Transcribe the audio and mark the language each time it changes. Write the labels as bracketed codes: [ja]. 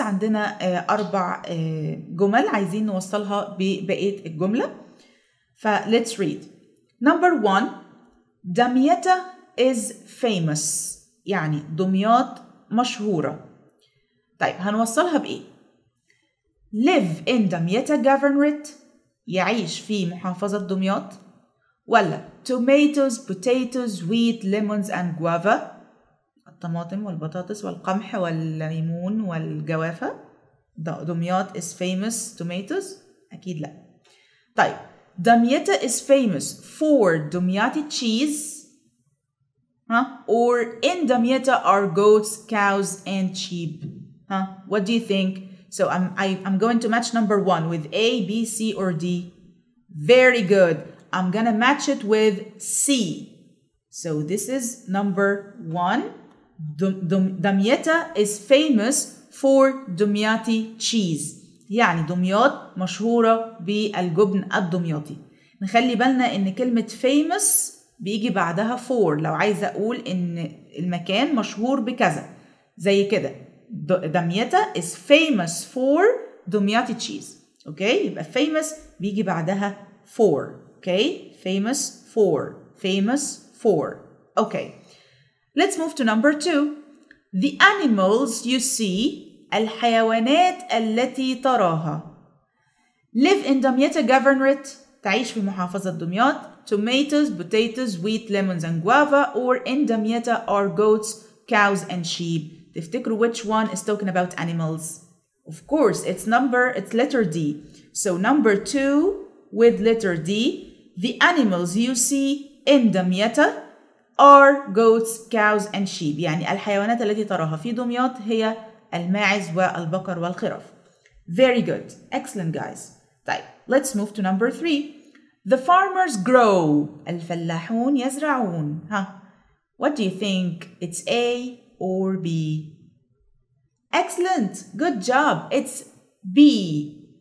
[ar] عندنا أربع جمل عايزين نوصلها ببقية الجملة. [en] فlet's read. Number one. Damietta is famous. [ar] يعني دمياط مشهورة. [en] طيب هنوصلها بإيه؟ Live in Damietta governorate. [ar] يعيش في محافظة دمياط. ولا [en] tomatoes, potatoes, wheat, lemons and guava. [ar] الطماطم والبطاطس والقمح والليمون والجوافة. [en] دمياط is famous tomatoes. [ar] أكيد لا. [en] طيب Damietta is famous for Domiati cheese. Or in Damietta are goats, cows and sheep. What do you think? So I'm going to match number one with A, B, C or D. Very good. I'm gonna match it with C. So this is number one. Damietta is famous [ar] for دمياطي تشيز، يعني دمياط مشهورة بالجبن الدمياطي. نخلي بالنا ان كلمة famous بيجي بعدها for، لو عايز اقول ان المكان مشهور بكذا زي كده. [en] Damietta is famous for Domiati cheese. [ar] اوكي، يبقى famous بيجي بعدها for. [en] Okay, famous for، famous for. Okay, let's move to number two. The animals you see، [ar] الحيوانات التي تراها. [en] Live in Damietta governorate، [ar] تعيش في محافظه دمياط. [en] Tomatoes, potatoes, wheat, lemons and guava or in Damietta are goats, cows and sheep. [ar] تفتكروا [en] which one is talking about animals؟ Of course it's number، it's letter D. So number two with letter D. The animals you see in Damietta are goats, cows and sheep، [ar] يعني الحيوانات التي تراها في دمياط هي الماعز والبقر والخرف. [en] Very good. Excellent, guys. طيب, let's move to number three. The farmers grow. [ar] الفلاحون يزرعون. [en] Huh. What do you think? It's A or B? Excellent. Good job. It's B.